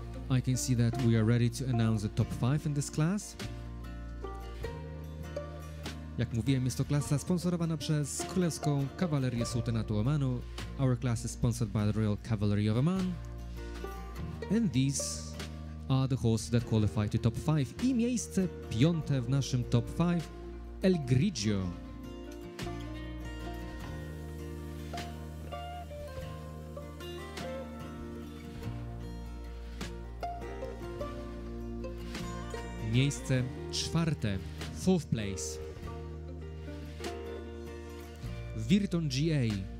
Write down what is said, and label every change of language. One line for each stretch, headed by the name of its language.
English: I can see that we are ready to announce the top 5 in this class.
Polish: Jak mówiłem, jest to klasa sponsorowana przez Królewską Kawalerię Sułtanatu Omanu.
English: Our class is sponsored by the Royal Cavalry of Oman. And these are the horses that qualify to top 5.
Polish: I miejsce piąte w naszym top 5, El Grigio. Miejsce czwarte,
English: fourth place,
Polish: Virton GA.